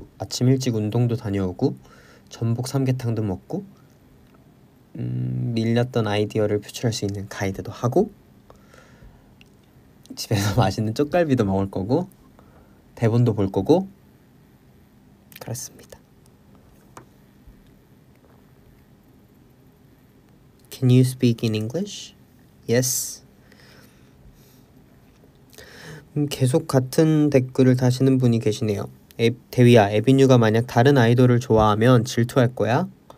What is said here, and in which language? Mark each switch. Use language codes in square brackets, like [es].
[ko] 아침 일찍 운동도 다녀오고, 전복 삼계탕도 먹고, 밀렸던 아이디어를 표출할 수 있는 가이드도 하고, 집에서 맛있는 쪽갈비도 먹을 거고, 대본도 볼 거고, 그렇습니다. [en] Can you speak in English? Yes. [ko] 계속 같은 댓글을 다시는 분이 계시네요. 대위야, 에비뉴가 만약 다른 아이돌을 좋아하면 질투할 거야?